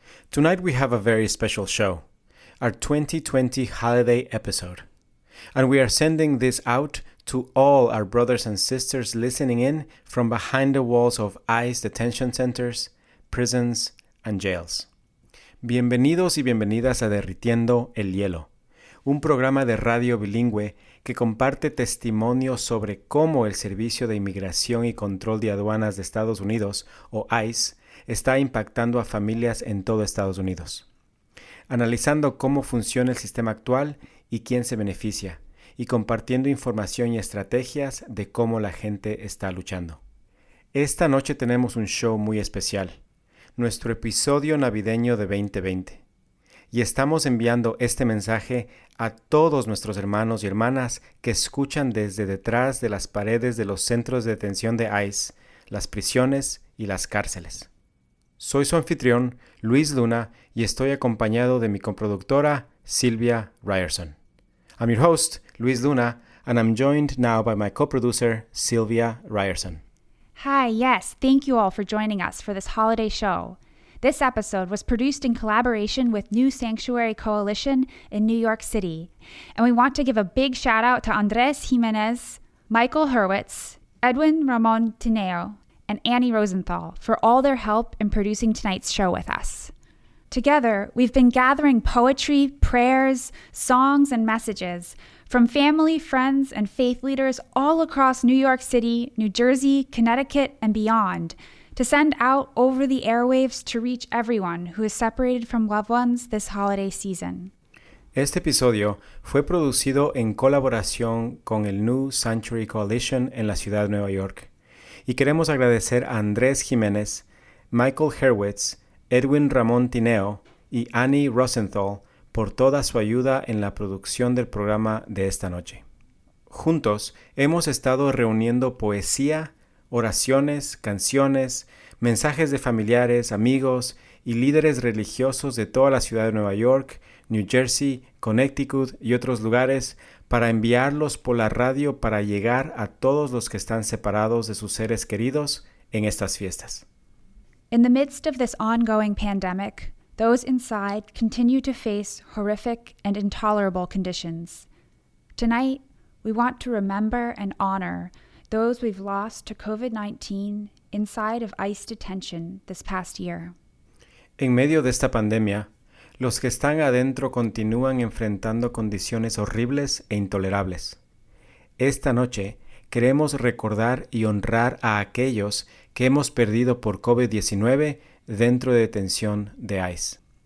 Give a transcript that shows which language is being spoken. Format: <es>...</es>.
<en>Tonight we have a very special show, our 2020 holiday episode, and we are sending this out to all our brothers and sisters listening in from behind the walls of ICE detention centers, prisons, and jails.</en> <es>Bienvenidos y bienvenidas a Derritiendo el Hielo, un programa de radio bilingüe que comparte testimonios sobre cómo el Servicio de Inmigración y Control de Aduanas de Estados Unidos, o ICE, está impactando a familias en todo Estados Unidos, analizando cómo funciona el sistema actual y quién se beneficia, y compartiendo información y estrategias de cómo la gente está luchando. Esta noche tenemos un show muy especial, nuestro episodio navideño de 2020, y estamos enviando este mensaje a todos nuestros hermanos y hermanas que escuchan desde detrás de las paredes de los centros de detención de ICE, las prisiones y las cárceles. Soy su anfitrión, Luis Luna, y estoy acompañado de mi coproductora, Silvia Ryerson.</es> <en>I'm your host, Luis Luna, and I'm joined now by my co-producer, Silvia Ryerson. Hi, yes, thank you all for joining us for this holiday show. This episode was produced in collaboration with New Sanctuary Coalition in New York City. And we want to give a big shout out to Andres Jimenez, Michael Hurwitz, Edwin Ramon Tineo, and Annie Rosenthal for all their help in producing tonight's show with us. Together, we've been gathering poetry, prayers, songs, and messages from family, friends, and faith leaders all across New York City, New Jersey, Connecticut, and beyond to send out over the airwaves to reach everyone who is separated from loved ones this holiday season.</en> <es>Este episodio fue producido en colaboración con el New Sanctuary Coalition en la ciudad de Nueva York. Y queremos agradecer a Andrés Jiménez, Michael Hurwitz, Edwin Ramón Tineo y Annie Rosenthal por toda su ayuda en la producción del programa de esta noche. Juntos hemos estado reuniendo poesía, oraciones, canciones, mensajes de familiares, amigos y líderes religiosos de toda la ciudad de Nueva York, New Jersey, Connecticut y otros lugares para enviarlos por la radio para llegar a todos los que están separados de sus seres queridos en estas fiestas.</es> <en>In the midst of this ongoing pandemic, those inside continue to face horrific and intolerable conditions. Tonight, we want to remember and honor those we've lost to COVID-19 inside of ICE detention this past year.</en> <es>En medio de esta pandemia, los que están adentro continúan enfrentando condiciones horribles e intolerables. Esta noche, queremos recordar y honrar a aquellos que hemos perdido por COVID-19 dentro de detención de ICE.</es>